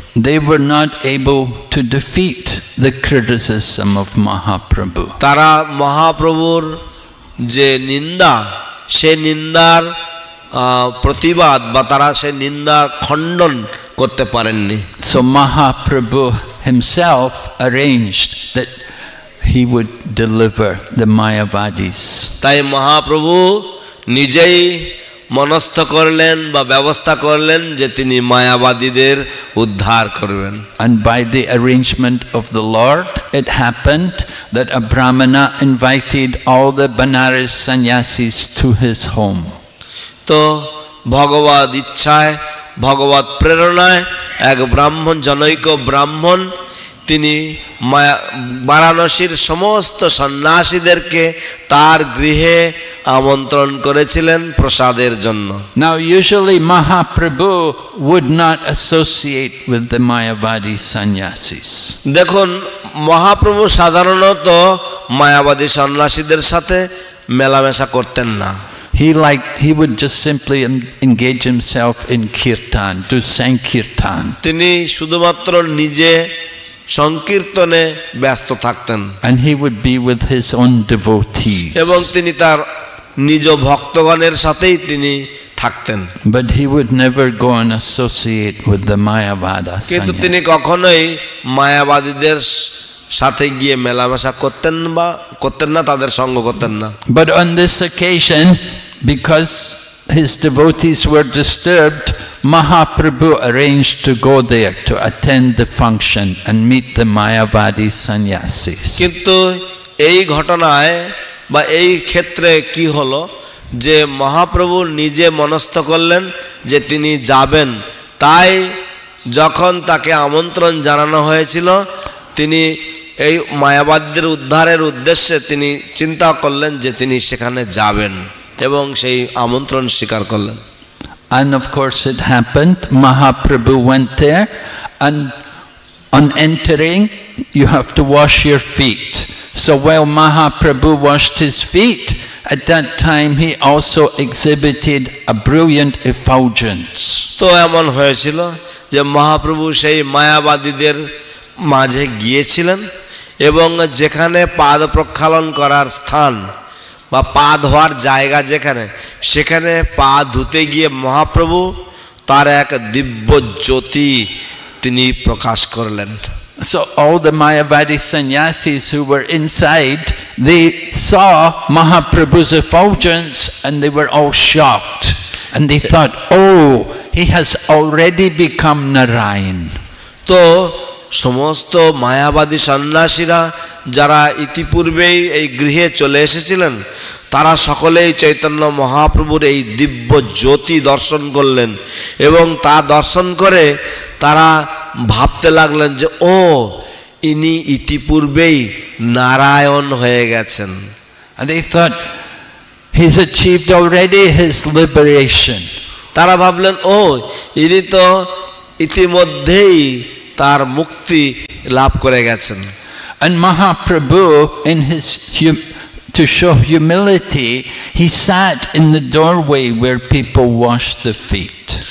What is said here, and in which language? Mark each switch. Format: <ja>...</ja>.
<en>They were not able to defeat the criticism of Mahaprabhu.</en> <bn>তারা মহাপ্রভুর যে নিন্দা, সে নিন্দার প্রতিবাদ বা তারা সে নিন্দার খণ্ডন করতে পারেননি।</bn> <en>So Mahaprabhu himself arranged that he would deliver the Mayavadis.</en> <bn>তাই মহাপ্রভু নিজেই মনস্থ করলেন বা ব্যবস্থা করলেন যে তিনি মায়াবাদীদের উদ্ধার করবেন</bn> <en>and by the arrangement of the lord it happened that a brahmana invited all the banaras sannyasis to his home</en> <bn>তো ভগবান ইচ্ছায় ভগবান প্রেরণায় এক ব্রাহ্মণ জনৈক ব্রাহ্মণ তিনি বারাণসীর সমস্ত সন্ন্যাসীদেরকে তার গৃহে আমন্ত্রণ করেছিলেন প্রসাদের জন্য</bn> <en>Now usually Mahaprabhu would not associate with the Mayavadi sannyasis</en> <bn>দেখুন মহাপ্রভু সাধারণত মায়াবাদী সন্ন্যাসীদের সাথে মেলামেশা করতেন না</bn> <en>he would just simply engage himself in kirtan to sankirtan</en> <bn>তিনি শুধুমাত্র নিজে সংকীর্তনে ব্যস্ত থাকতেন</bn> <en>and he would be with his own devotees</en> <bn>এবং তিনি তার নিজ ভক্তগণের সাথেই তিনি থাকতেন</bn> <en>but he would never go and associate with the mayavadas</en> <bn>কিন্তু তিনি কখনোই মায়াবাদীদের সাথে গিয়ে মেলামেশা করতেন বা করতেন না তাদের সঙ্গ করতেন না</bn> <en>but on this occasion because his devotees were disturbed Mahaprabhu arranged to go there to attend the function and meet the Mayavadi sannyasis.</en> <bn>কিন্তু এই ঘটনায় বা এই ক্ষেত্রে কি হলো যে মহাপ্রভু নিজে মনস্থ করলেন যে তিনি যাবেন তাই যখন তাকে আমন্ত্রণ জানানো হয়েছিল তিনি এই মায়াবাদীদের উদ্ধারের উদ্দেশ্যে তিনি চিন্তা করলেন যে তিনি সেখানে যাবেন এবং সেই আমন্ত্রণ স্বীকার করলেন</bn> <en>And of course it happened, Mahaprabhu went there and on entering you have to wash your feet. So while Mahaprabhu washed his feet, at that time he also exhibited a brilliant effulgence.</en> <bn>তো এমন হয়েছিল যে মহাপ্রভু সেই মায়াবাদীদের মাঝে গিয়েছিলেন এবং যেখানে পাদ প্রক্ষালন করার স্থান বা পা ধোয়ার জায়গা যেখানে সেখানে পা ধুতে গিয়ে মহাপ্রভু তার এক দিব্য জ্যোতি তিনি প্রকাশ করলেন</bn> <en>So all the Mayavadi sannyasis who were inside, they saw Mahaprabhu's effulgence and they were all shocked. And they thought, oh, he has already become Narayan.</en> <bn>তো সমস্ত মায়াবাদী সন্ন্যাসীরা যারা ইতিপূর্বেই এই গৃহে চলে এসেছিলেন তারা সকলেই চৈতন্য মহাপ্রভুর এই দিব্য জ্যোতি দর্শন করলেন এবং তা দর্শন করে তারা ভাবতে লাগলেন যে ও ইনি ইতিপূর্বেই নারায়ণ হয়ে গেছেন</bn> <en>And they thought, he's achieved already his liberation.</en> <bn>তারা ভাবলেন ও ইনি তো ইতিমধ্যেই তার মুক্তি লাভ করে গেছেন</bn> <en>And Mahaprabhu, in his to show humility, he sat in the doorway where people washed the feet.</en>